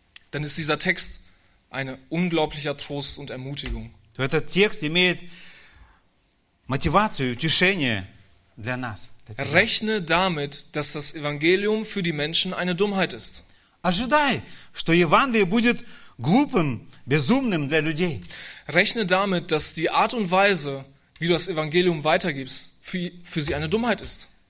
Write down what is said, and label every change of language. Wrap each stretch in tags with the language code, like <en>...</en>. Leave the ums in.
<de>dann, ist dieser Text eine unglaublicher Trost und Ermutigung</de> <ru>то этот текст имеет мотивацию, утешение для нас.</ru> <de>Rechne damit, dass das Evangelium für die Menschen eine Dummheit ist. dass die Art und Weise, wie</de> <ru>Ожидай, что Евангелие будет глупым, безумным для людей.</ru> <de>Rechne damit, dass die Art und Weise, wie du das Evangelium weitergibst, für, sie eine Dummheit ist.</de>